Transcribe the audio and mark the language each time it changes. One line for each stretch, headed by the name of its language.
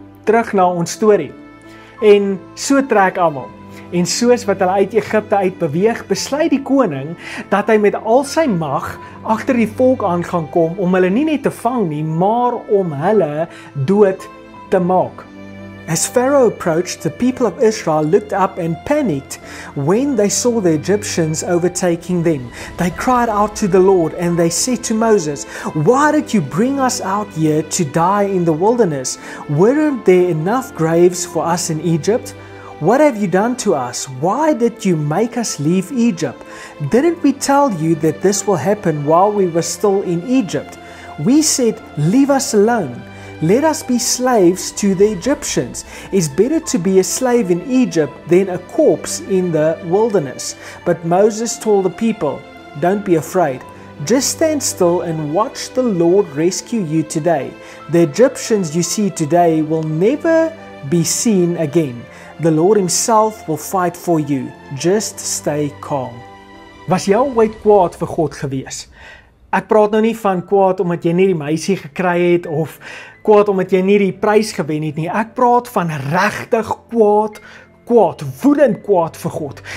Afrikaans: Terug na ons storie. En so trek almal. En soos wat hulle uit Egipte uit beweeg, besluit die koning dat hy met al sy mag agter die volk aan gaan kom om hulle nie net te vang nie, maar om hulle dood te maak.
English: As Pharaoh approached, the people of Israel looked up and panicked when they saw the Egyptians overtaking them. They cried out to the Lord and they said to Moses, "Why did you bring us out here to die in the wilderness? Weren't there enough graves for us in Egypt? What have you done to us? Why did you make us leave Egypt? Didn't we tell you that this will happen while we were still in Egypt? We said, 'Leave us alone. Let us be slaves to the Egyptians. It's better to be a slave in Egypt than a corpse in the wilderness.' But Moses told the people, 'Don't be afraid. Just stand still and watch the Lord rescue you today. The Egyptians you see today will never be seen again. The Lord Himself will fight for you. Just stay calm.'"
Afrikaans: Was jou ooit kwaad vir God gewees? Ek praat nou nie van kwaad omdat jy nie die meisie gekry het of kwaad omdat jy nie die prys gewen het nie. Ek praat van regtig kwaad, kwaad, woedend kwaad vir God.